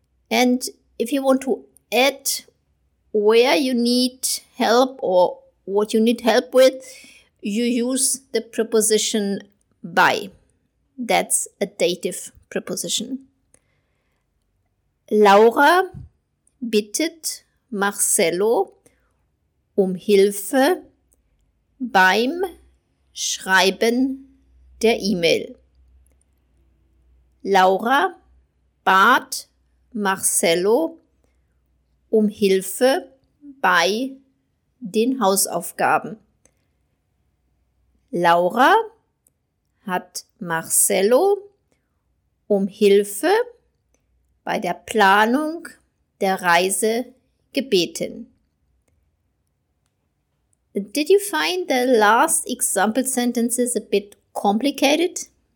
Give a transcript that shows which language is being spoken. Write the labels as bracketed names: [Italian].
[English] And if you want to add where you need help or what you need help with, you use the preposition by. That's a dative preposition. [German] Laura bittet Marcello Hilfe beim Schreiben der E-Mail. Laura bat Marcello Hilfe bei den Hausaufgaben. Laura hat Marcello Hilfe bei der Planung der Reise gebeten. [English] Did you find the last example sentences a bit complicated?